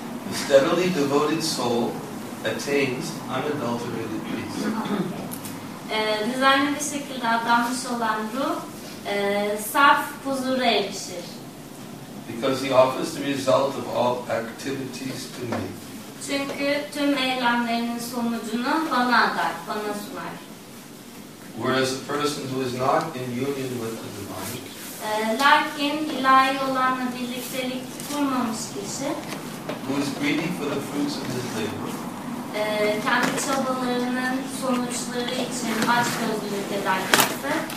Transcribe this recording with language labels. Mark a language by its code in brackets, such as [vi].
[en] The steadily devoted soul attains unadulterated peace. [tr] Düzenli bir şekilde adanmış olan ruh saf huzura erişir. [en] Because he offers the result of all activities to me. [tr] Çünkü tüm eylemlerinin sonucunu bana atar, bana sunar. [en] Whereas a person who is not in union with the divine. [tr] Lakin ilahi olanla birliktelik kurmamış kişi. [en] Who is greedy for the fruits of his labor. [tr] Kendi çabalarının sonuçları için açgözlülük ederse.